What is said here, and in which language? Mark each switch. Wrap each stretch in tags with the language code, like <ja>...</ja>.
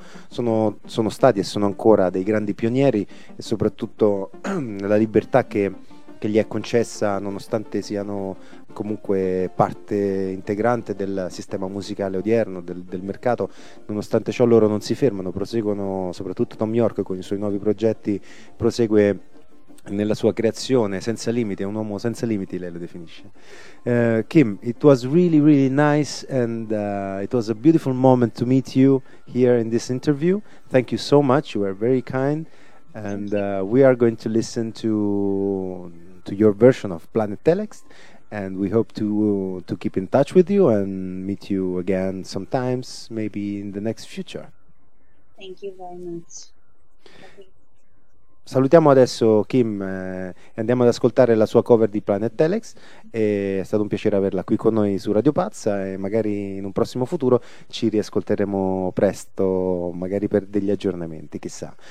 <it>Sono stati e sono ancora dei grandi pionieri, e soprattutto la libertà che gli è concessa, nonostante siano comunque parte integrante del sistema musicale odierno, del mercato. Nonostante ciò, loro non si fermano, proseguono. Soprattutto Thom Yorke, con i suoi nuovi progetti, prosegue nella sua creazione senza limiti. È un uomo senza limiti, lei lo definisce.</it> <en>Kim, it was really really nice, and it was a beautiful moment to meet you here in this interview. Thank you so much, you were very kind, and we are going to listen to your version of Planet Telex, and we hope to keep in touch with you and meet you again sometimes, maybe in the next future. Thank you very much.</en> <it>Salutiamo adesso Kim e andiamo ad ascoltare la sua cover di Planet Telex. È stato un piacere averla qui con noi su Radio Pazza, e magari in un prossimo futuro ci riascolteremo presto, magari per degli aggiornamenti, chissà.</it>